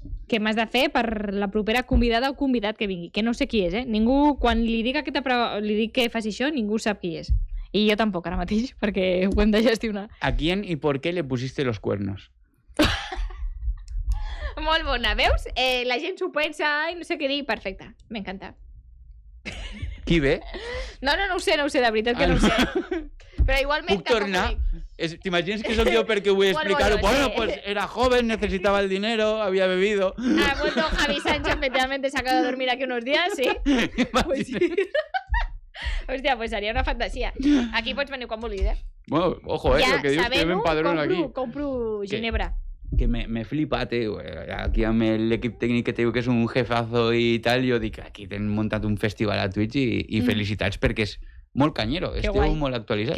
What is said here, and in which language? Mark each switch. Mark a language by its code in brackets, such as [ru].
[ca] Què m'has de fer per la propera convidada o convidat que vingui? Que no sé qui és, eh? Ningú, quan li dic aquesta pregunta, li dic que faci això, ningú sap qui és. I jo tampoc, ara mateix, perquè ho hem de gestionar. [es] ¿A quién y por qué le pusiste los cuernos? [ca] Molt bona, veus? La gent s'ho pensa i no sé què dir. Perfecte, m'encanta. Qui ve? No ho sé, de veritat que no ho sé. Però igualment... Puc tornar? T'imagines que sóc jo perquè vull explicar-ho? [es] Bueno, pues era joven, necessitava el dinero, havia bebido... Ha vuelto Javi Sánchez, efectivamente, se acaba de dormir aquí unos días, sí? [ca] Hòstia, pues seria una fantasia. Aquí pots venir quan vulguis, eh? [es] Bueno, ojo, lo que dius, que ven padrón aquí. Compro Ginebra. Que me flipa, tío. [ca] Aquí amb l'equip tècnic que tengo, que és un jefazo i tal, jo dic, aquí t'han muntat un festival a Twitch i felicitats, perquè és molt canyero. Esteu molt actualitzats.